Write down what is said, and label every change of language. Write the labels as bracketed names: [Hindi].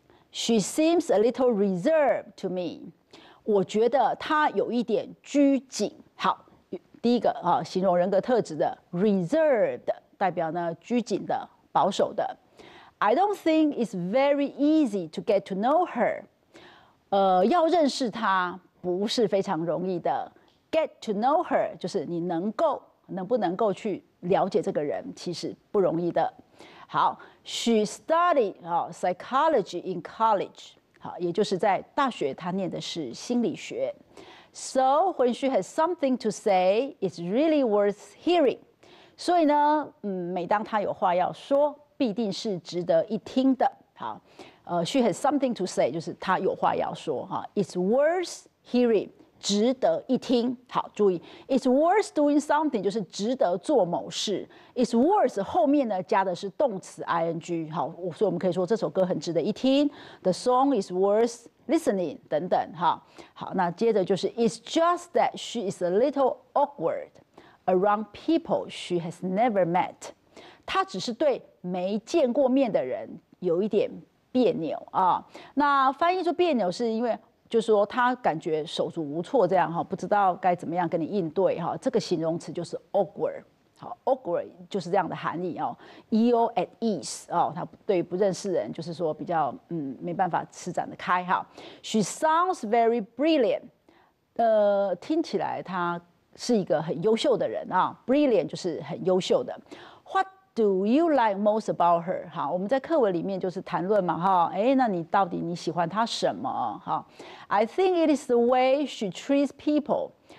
[English] She seems a little reserved to me. [Chinese] 我觉得她有一点拘谨。好，第一个啊，形容人格特质的 reserved 代表呢拘谨的、保守的。 [English] I don't think it's very easy to get to know her. [Chinese] 要认识她不是非常容易的。 Get to know her 就是你能不能够去了解这个人，其实不容易的。 [English] 好 ，She studied psychology in college. [Chinese] 好，也就是在大学，她念的是心理学。 [English] So when she has something to say, it's really worth hearing. [Chinese] 所以呢，每当他有话要说，必定是值得一听的。好， [English] she has something to say， [Chinese] 就是他有话要说哈。 [English] It's worth hearing， [Chinese] 值得一听。好，注意 ， [English] it's worth doing something， [Chinese] 就是值得做某事。 It's worth 后面呢加的是动词 ing， 好，所以我们可以说这首歌很值得一听。 [English] The song is worth listening， 等等哈。 [Chinese] 好，那接着就是 [English] it's just that she is a little awkward around people she has never met。 [Chinese] 她只是对没见过面的人有一点别扭啊。那翻译说别扭是因为就是说她感觉手足无措这样哈，不知道该怎么样跟你应对哈。这个形容词就是 awkward， 好 ，awkward 就是这样的含义哦。 [English] Ill at ease [Chinese] 哦，她对不认识人就是说比较没办法施展得开哈。 [English] She sounds very brilliant， [Chinese] 听起来她是一个很优秀的人啊。 [English] Brilliant [Chinese] 就是很优秀的。 [English] Do you like most about her？ [Chinese] 好，我们在课文里面就是谈论嘛，哈，哎，那你到底你喜欢她什么？ [English] 哈 ，I think it is the way she treats people。